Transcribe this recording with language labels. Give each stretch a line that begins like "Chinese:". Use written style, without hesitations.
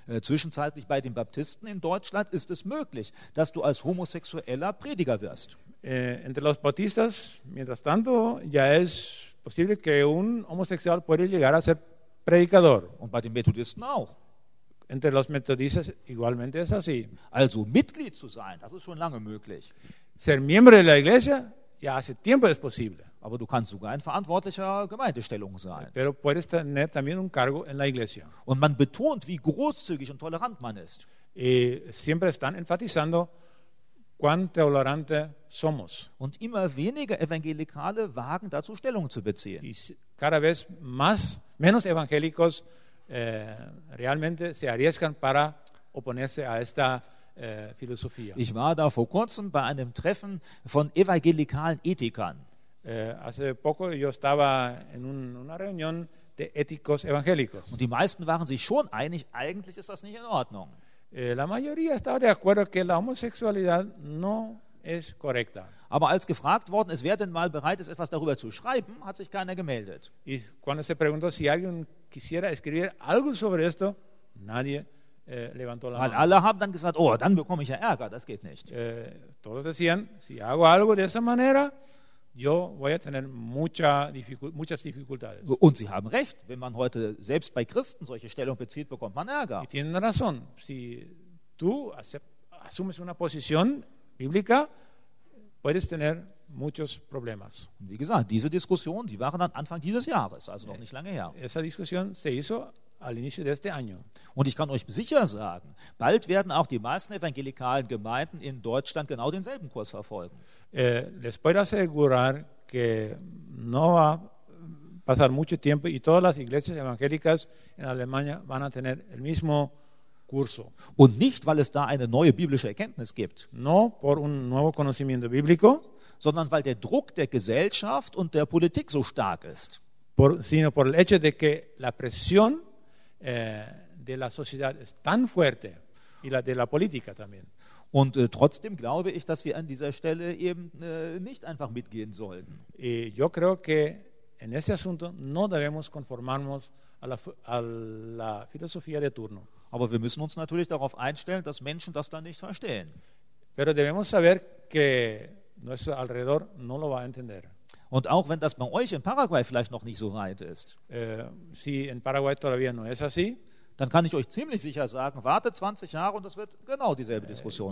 German: Zwischenzeitlich bei den Baptisten in Deutschland ist es möglich, dass du als homosexueller Prediger wirst.
Spanish: Entre los bautistas, mientras tanto, ya es posible que un homosexual puede llegar a ser predicador.
German: Und bei den Methodisten auch.
Spanish: Entre los metodistas igualmente es así.
German: Also Mitglied zu sein, das ist schon lange möglich.
Spanish: Ser miembro de la iglesia, ya hace tiempo es posible.
German: Aber du kannst sogar in verantwortlicher Gemeindestellung sein.
Spanish: Pero puedes tener también un cargo en la iglesia.
German: Und man betont, wie großzügig und tolerant man ist.
Spanish: Y siempre están enfatizando cuán tolerante somos.
German: Und immer weniger Evangelikale wagen dazu Stellung zu beziehen.
Spanish: Y cada vez más, menos evangélicos realmente se arriesgan para oponerse a esta filosofía.
German: Ich war da vor kurzem bei einem Treffen von evangelikalen Ethikern.
Spanish: Hace poco yo estaba en una reunión de éticos evangélicos.
German: Und die meisten waren sich schon einig, eigentlich ist das nicht in Ordnung.
Spanish: La mayoría estaba de acuerdo que la homosexualidad no es correcta.
German: Aber als gefragt worden ist, wer denn mal bereit ist, etwas darüber zu schreiben, hat sich keiner gemeldet.
Spanish: Y cuando se preguntó si alguien quisiera escribir algo sobre esto, nadie levantó la mano.
German: Alle haben dann gesagt, oh, dann bekomme ich ja Ärger, das geht nicht.
Spanish: Todos decían, si hago algo de esa manera, yo voy a tener muchas dificultades.
German: Und sie haben recht, wenn man heute selbst bei Christen solche Stellung bezieht, bekommt man Ärger.
Spanish: Y tienen razón, si tú asumes una posición bíblica, puedes tener muchos problemas.
German: Und wie gesagt, diese Diskussion, die waren dann Anfang dieses Jahres, also noch nicht lange her.
Spanish: Esa discusión se hizo al inicio de este año.
German: Und ich kann euch sicher sagen, bald werden auch die meisten evangelikalen Gemeinden in Deutschland genau denselben Kurs verfolgen.
Spanish: Les puedo asegurar que no va a pasar mucho tiempo y todas las iglesias evangélicas en Alemania van a tener el mismo curso.
German: Und nicht, weil es da eine neue biblische Erkenntnis gibt.
Spanish: No por un nuevo conocimiento bíblico,
German: sondern weil der Druck der Gesellschaft und der Politik so stark ist.
Spanish: Sino por el hecho de que la presión de la sociedad es tan fuerte y la de la política también.
German: Und trotzdem glaube ich, dass wir an dieser Stelle eben nicht einfach mitgehen sollten.
Spanish: Y yo creo que en este asunto no debemos conformarnos a la filosofía de turno.
German: Aber wir müssen uns natürlich darauf einstellen, dass Menschen das dann nicht verstehen.
Spanish: Pero debemos saber que nuestro alrededor no lo va a entender.
German: Und auch wenn das bei euch in Paraguay vielleicht noch nicht so weit ist,
Spanish: si en Paraguay todavía no es así,
German: dann kann ich euch ziemlich sicher sagen, wartet 20 Jahre und es wird genau dieselbe Diskussion